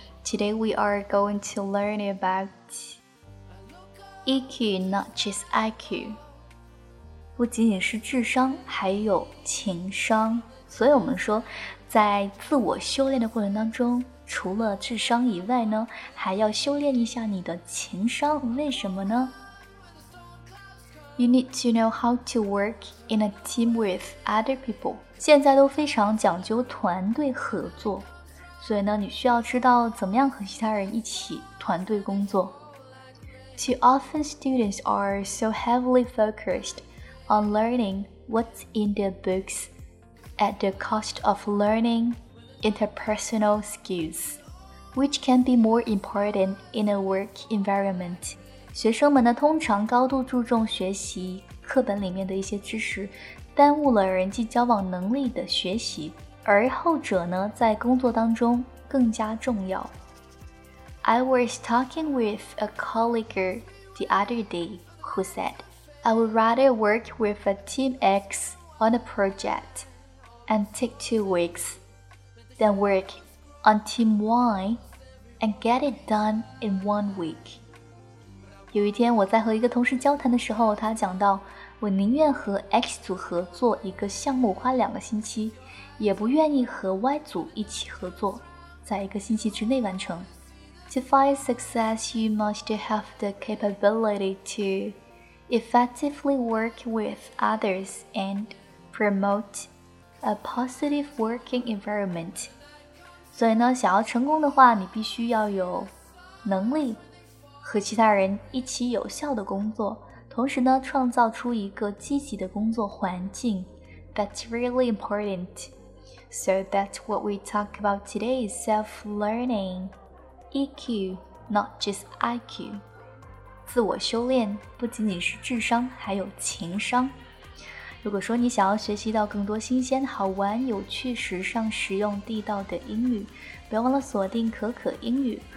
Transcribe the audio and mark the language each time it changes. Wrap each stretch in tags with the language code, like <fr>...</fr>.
<en>Today we are going to learn about EQ, not just IQ.</en> <zh>不仅仅是智商，还有情商。所以我们说，在自我修炼的过程当中，除了智商以外呢，还要修炼一下你的情商。为什么呢？</zh> <en>You need to know how to work in a team with other people.</en> <zh>现在都非常讲究团队合作，所以呢，你需要知道怎么样和其他人一起团队工作。</zh> <en>Too often students are so heavily focused on learning what's in their books at the cost of learning interpersonal skills, which can be more important in a work environment.</en> <zh>学生们呢，通常高度注重学习课本里面的一些知识，耽误了人际交往能力的学习，而后者呢，在工作当中更加重要。</zh> <en>I was talking with a colleague the other day who said, I would rather work with a team X on a project and take 2 weeks than work on team Y and get it done in 1 week.</en> <zh>有一天我在和一个同事交谈的时候，他讲到，我宁愿和 X 组合作一个项目花2个星期，也不愿意和 Y 组一起合作，在一个星期之内完成。</zh> <en>To find success, you must have the capability to effectively work with others and promote a positive working environment.</en> <zh>所以呢，想要成功的话，你必须要有能力和其他人一起有效的工作，同时呢，创造出一个积极的工作环境。</zh> <en>That's really important. So that's what we talk about today, self-learning. EQ, not just IQ.</en> <zh>自我修炼不仅仅是智商，还有情商。如果说你想要学习到更多新鲜、好玩、有趣、时尚、实用、地道的英语，不要忘了锁定可可英语。</zh>